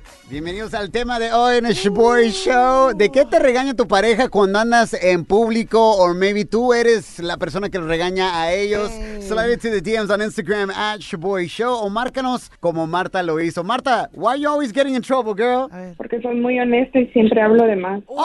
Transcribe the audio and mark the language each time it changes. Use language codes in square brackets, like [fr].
[es] Bienvenidos al tema de hoy en el Shaboy Show. ¿De qué te regaña tu pareja cuando andas en público? [en] Or maybe [es] tú eres la persona que regaña a ellos. [en] Slide into the DMs on Instagram at Shaboy Show. [es] O márcanos como Marta lo hizo. [en] Marta, why are you always getting in trouble, girl? [es] Porque soy muy honesta y siempre hablo de más.